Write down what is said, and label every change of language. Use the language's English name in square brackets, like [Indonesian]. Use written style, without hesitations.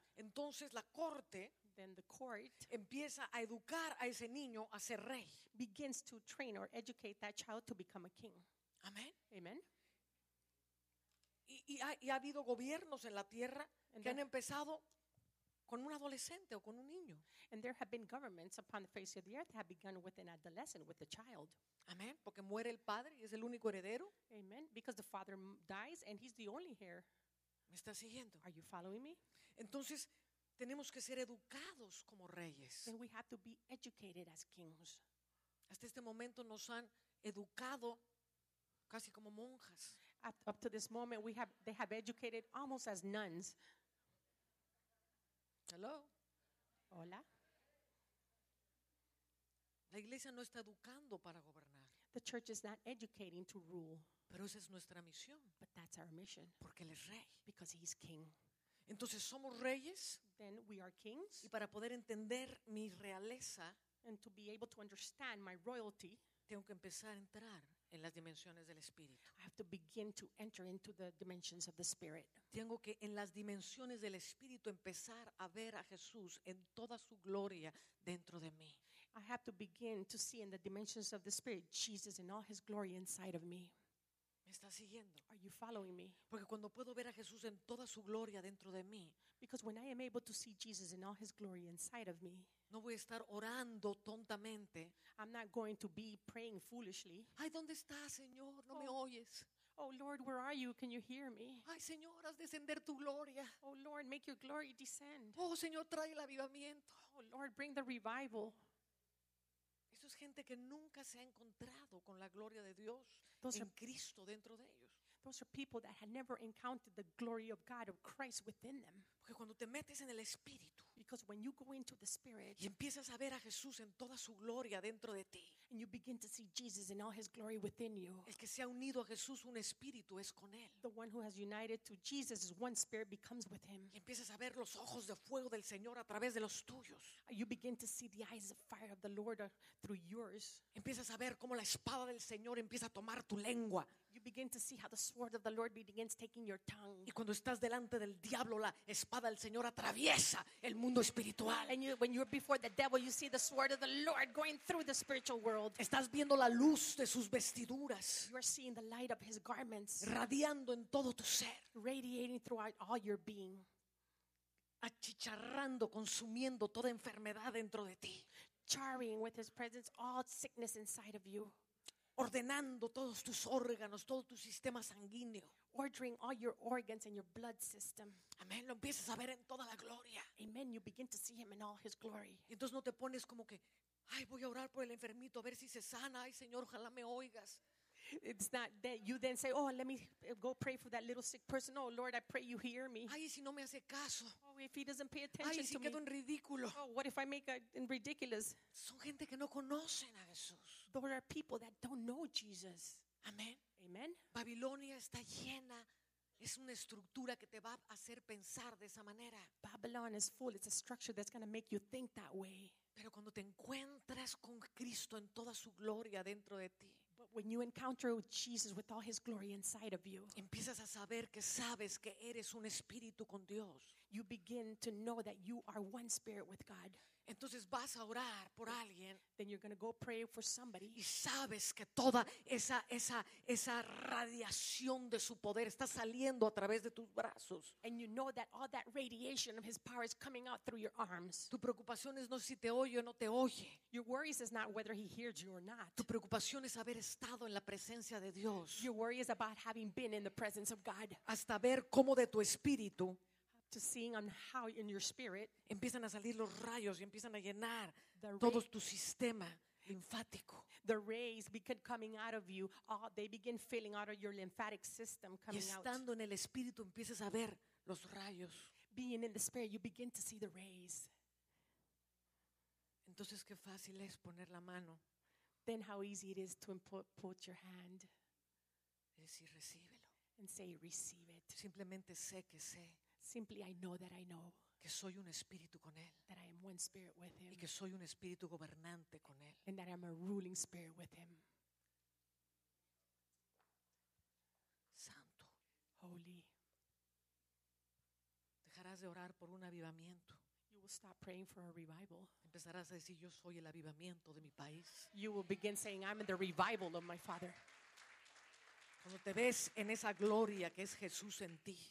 [Spanish] Entonces la corte, [English] then the court, [Spanish] empieza a educar a ese niño a ser rey. [English] Begins to train or educate that child to become a king. Amen. Amen. [Spanish] Y ha habido gobiernos en la tierra que han empezado con un adolescente o con un niño. [English] And there have been governments upon the face of the earth that have begun with an adolescent, with a child. [Spanish] Amén. Porque muere el padre y es el único heredero. [English] Amen. Because the father dies and he's the only heir. [Spanish] ¿Me estás siguiendo? [English] Are you following me? [Spanish] Entonces, tenemos que ser educados como reyes. [English] Then we have to be educated as kings. [Spanish] Hasta este momento nos han educado casi como monjas. [English] Up to this moment, they have educated almost as nuns. Hello. [Spanish] Hola. La iglesia no está educando para gobernar. [English] The church is not educating to rule. [Spanish] Pero esa es nuestra misión. [English] But that's our mission. [Spanish] Porque él es rey. [English] Because he's king. [Spanish] Entonces somos reyes. [English] Then we are kings. [Spanish] Y para poder entender mi realeza, [English] and to be able to understand my royalty, [Spanish] tengo que empezar a entrar en las dimensiones del espíritu. [English] I have to begin to enter into the dimensions of the spirit. [Spanish] Tengo que en las dimensiones del espíritu empezar a ver a Jesús en toda su gloria dentro de mí. [English] I have to begin to see in the dimensions of the spirit Jesus in all his glory inside of me. [Spanish] ¿Me estás siguiendo? [English] Are you following me? [Spanish] Porque cuando puedo ver a Jesús en toda su gloria dentro de mí, [English] because when I am able to see Jesus in all his glory inside of me, [Spanish] no voy a estar orando tontamente. [English] I'm not going to be praying foolishly. [Spanish] Ay, ¿dónde estás, Señor? No me oyes. [English] Oh, Lord, where are you? Can you hear me? [Spanish] Ay, Señor, haz descender tu gloria. [English] Oh, Lord, make your glory descend. [Spanish] Oh, Señor, trae el avivamiento. [English] Oh, Lord, bring the revival. [Spanish] Eso es gente que nunca se ha encontrado con la gloria de Dios en Cristo dentro de ellos. [English] Those are people that had never encountered the glory of God of Christ within them. [Spanish] Porque cuando te metes en el Espíritu, [English] because when you go into the Spirit, [Spanish] y empiezas a ver a Jesús en toda su gloria dentro de ti, [English] and you begin to see Jesus in all his glory within you, [Spanish] el que se ha unido a Jesús un espíritu es con él. [English] The one who has united to Jesus is one spirit becomes with him. [Spanish] Y empiezas a ver los ojos de fuego del Señor a través de los tuyos. [English] You begin to see the eyes of fire of the Lord through yours. [Spanish] Empiezas a ver cómo la espada del Señor empieza a tomar tu lengua. [English] You begin to see how the sword of the Lord begins taking your tongue. [Spanish] Y cuando estás delante del diablo, la espada del Señor atraviesa el mundo espiritual. [English] And when you're before the devil, you see the sword of the Lord going through the spiritual world. [Spanish] Estás viendo la luz de sus vestiduras. [English] You're seeing the light of his garments. [Spanish] Radiando en todo tu ser. [English] Radiating throughout all your being. [Spanish] Achicharrando, consumiendo toda enfermedad dentro de ti. [English] Charring with his presence all sickness inside of you. [Spanish] Ordenando todos tus órganos, todo tu sistema sanguíneo. [English] Ordering all your organs and your blood system. [Spanish] Amén. Lo empiezas a ver en toda la gloria. [English] Amen. You begin to see him in all his glory. [Spanish] Y entonces no te pones como que, ay, voy a orar por el enfermito a ver si se sana. Ay, Señor, ojalá me oigas. [English] It's not that you then say, oh, let me go pray for that little sick person. Oh, Lord, I pray you hear me. [Spanish] Ay, si no me hace caso. [English] Oh, if he doesn't pay attention. [Spanish] Ay, si [English] to [Spanish] quedo en ridículo. [English] Oh, what if I make it ridiculous? [Spanish] Son gente que no conocen a Jesús. [English] There are people that don't know Jesus. Amen. Amen. [Spanish] Babilonia está llena. Es una estructura que te va a hacer pensar de esa manera. [English] Babylon is full. It's a structure that's going to make you think that way. [Spanish] Pero cuando te encuentras con Cristo en toda su gloria dentro de ti, [English] but when you encounter Jesus with all his glory inside of you, [Spanish] empiezas a saber que sabes que eres un espíritu con Dios. [English] You begin to know that you are one spirit with God. [Spanish] Entonces vas a orar por alguien. [English] Then you're going to go pray for somebody. [Spanish] Y sabes que toda esa radiación de su poder está saliendo a través de tus brazos. [English] And you know that all that radiation of his power is coming out through your arms. [Spanish] Tu preocupación es no si te oye o no te oye. [English] Your worries is not whether he hears you or not. [Spanish] Tu preocupación es haber estado en la presencia de Dios. [English] Your worry is about having been in the presence of God. [Spanish] Hasta ver cómo de tu espíritu, [English] to seeing on how in your spirit, [Spanish] empiezan a salir los rayos y empiezan a llenar todo tu sistema linfático. [English] The rays begin coming out of you. All, they begin filling out of your lymphatic system coming out. [Spanish] Y estando en el espíritu empiezas a ver los rayos. [English] Being in the spirit, you begin to see the rays. [Spanish] Entonces qué fácil es poner la mano. [English] Then how easy it is to put your hand. [Spanish] Es decir, recíbelo. [English] And say, receive it. [Spanish] Simplemente sé que sé. [English] Simply, I know that I know. [Spanish] Que soy un espíritu con él. [English] That I am one spirit with him. [Spanish] Y que soy un espíritu gobernante con él. [English] And that I'm a ruling spirit with him. [Spanish] Santo. [English] Holy. [Spanish] Dejarás de orar por un avivamiento. [English] You will stop praying for a revival. [Spanish] Empezarás a decir, yo soy el avivamiento de mi país. [English] You will begin saying, I'm in the revival of my father. [Spanish] Cuando te ves en esa gloria que es Jesús en ti.